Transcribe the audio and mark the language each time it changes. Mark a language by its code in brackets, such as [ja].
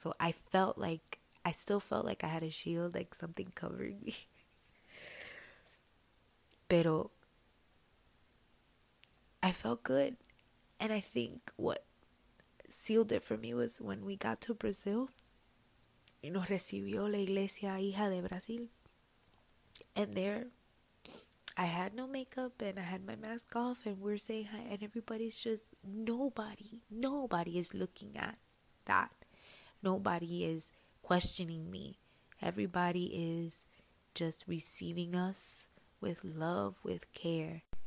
[en] So I still felt like I had a shield, like something covering me. Pero I felt good. And I think what sealed it for me was when we got to Brazil. [es] Y nos recibió la iglesia hija de Brasil. [en] And there, I had no makeup and I had my mask off and we're saying hi and everybody's just, nobody is looking at that. Nobody is questioning me. Everybody is just receiving us with love, with care.